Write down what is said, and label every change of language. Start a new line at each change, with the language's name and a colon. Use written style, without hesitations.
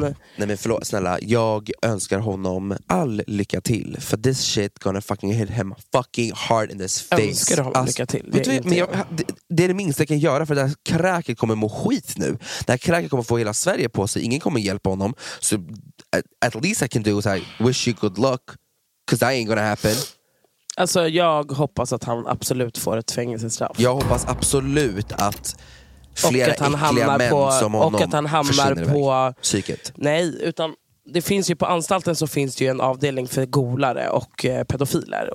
Swedish: Nej men förlåt, snälla. Jag önskar honom all lycka till.
English: För this shit gonna fucking hit him fucking hard in this face.
Swedish: Önskar honom lycka till. Det är det minsta jag kan göra, för det här kräket kommer må skit nu. Det här kräket kommer få hela Sverige på sig. Ingen kommer hjälpa honom.
English: Så at least I can do is I wish you good luck. Because that ain't gonna happen.
Swedish: Alltså jag hoppas att han absolut får ett fängelsestraff. Jag hoppas absolut att flera att han äckliga män på, som honom och att han hamnar på psyket. Nej, utan det finns ju på anstalten så finns det ju en avdelning för golare och pedofiler.